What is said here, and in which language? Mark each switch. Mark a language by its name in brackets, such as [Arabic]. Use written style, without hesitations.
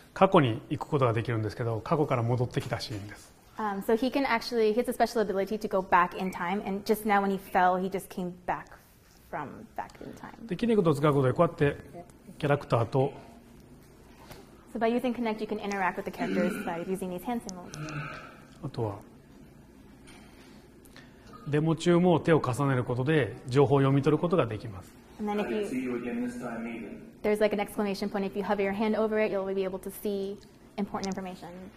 [Japanese] 彼は超能力者で過去に行くことができるんですけど、過去から戻ってきたシーンです。 [English] So he can actually, he has a special ability to go back in time, and just now when he fell, he just came back from back in time. [Japanese] で、筋肉と使うことでこうやってキャラクターと [English] So by using Kinect, you can interact with the characters by using these hand symbols. [Japanese] あとはデモ中も手を重ねることで情報を読み取ることができます。 [English] And then if you, see you again this time even. There's like an exclamation point. If you hover your hand over it, you'll be able to see important information.